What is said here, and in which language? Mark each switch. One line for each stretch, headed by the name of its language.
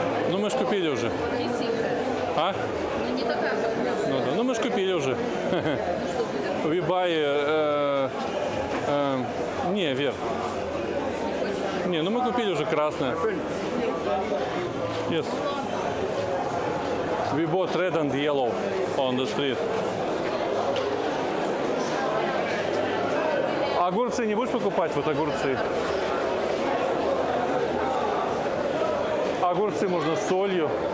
Russian: Ну мы ж купили уже. А? Не такая. Ну да, ну мы ж купили уже.
English: We buy,
Russian: не, вверх. Не, ну мы купили уже красное.
English: Yes. We bought red and yellow on the street.
Russian: Огурцы не будешь покупать? Вот огурцы. Огурцы можно с солью.